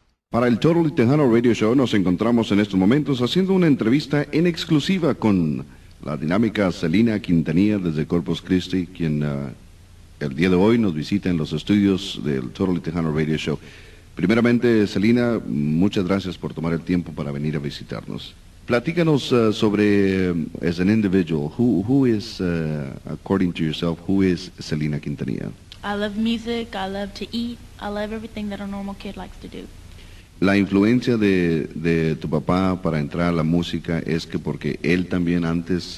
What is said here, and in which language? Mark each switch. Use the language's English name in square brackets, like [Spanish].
[Spanish] Para el Totally Tejano Radio Show nos encontramos en estos momentos haciendo una entrevista en exclusiva con la dinámica Selena Quintanilla desde Corpus Christi, quien el día de hoy nos visita en los estudios del Totally Tejano Radio Show. Primeramente, Selena, muchas gracias por tomar el tiempo para venir a visitarnos. Platícanos sobre, [English] as an individual, who is, according to yourself, who is Selena Quintanilla? I love music, I love to eat, I love everything that a normal kid likes to do. [Spanish] La influencia de tu papá para entrar a la música es que porque él también antes